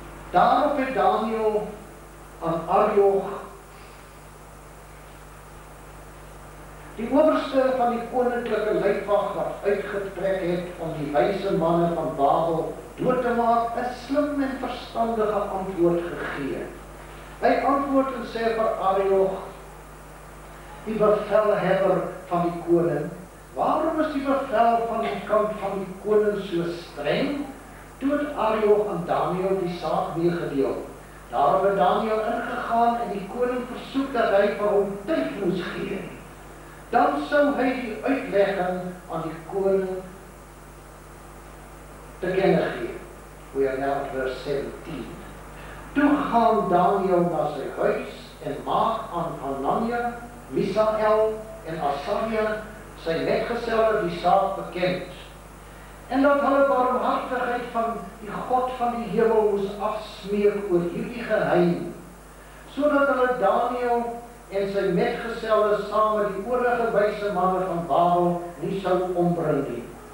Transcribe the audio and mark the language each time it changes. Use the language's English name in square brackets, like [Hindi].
[Afrikaans] Daarop het Daniel aan Arioch, die oberste van die koninklijke leidwacht wat uitgetrek het om die wijze mannen van Babel dood te maak, een slim en verstandige antwoord gegee. Hy antwoord en sê vir Arioch, die bevelhebber van die koning, waarom is die bevel van die kant van die koning so streng? Toe het Arioch aan Daniel die saak meegedeel. Daarom het Daniel ingegaan en die koning versoek dat hy vir hom tyd moes gee. Dan sou hy die uitlegging aan die koning te kenne gee. [English] We are now at verse 17. [Afrikaans] Toe gaan Daniel na sy huis en maak aan Hanania, Misael en Asaria sy metgeselle die saak bekend, en dat hulle barmhartigheid van die God van die hemel moes afsmeek oor hierdie geheim, sodat hulle Daniel en sy metgeselle saam met die oorige wijse manne van Babel nie sou ombring nie.